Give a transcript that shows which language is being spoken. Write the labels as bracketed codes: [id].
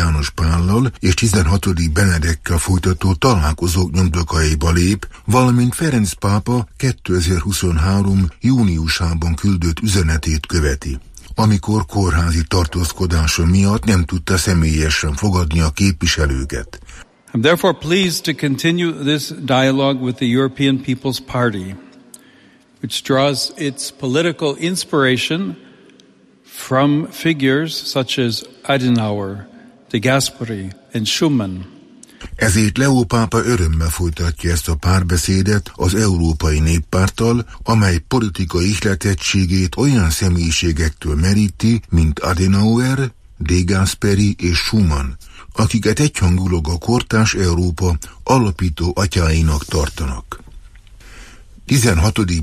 [hu] János Pállal és 16. Benedekkel folytató találkozók nyomdokaiba lép, valamint Ferenc pápa 2023. júniusában küldött üzenetét követi. Amikor kórházi tartózkodása miatt nem tudta személyesen fogadni a képviselőket. [en] I'm therefore pleased to continue this dialogue with the European People's Party, which draws its political inspiration from figures such as Adenauer, De Gasperi and Schumann. [hu] Ezért Leó pápa örömmel folytatja ezt a párbeszédet az Európai Néppárttal, amely politikai ihletettségét olyan személyiségektől meríti, mint Adenauer, De Gasperi és Schumann, akiket egyhangulag a kortárs Európa alapító atyáinak tartanak. 16.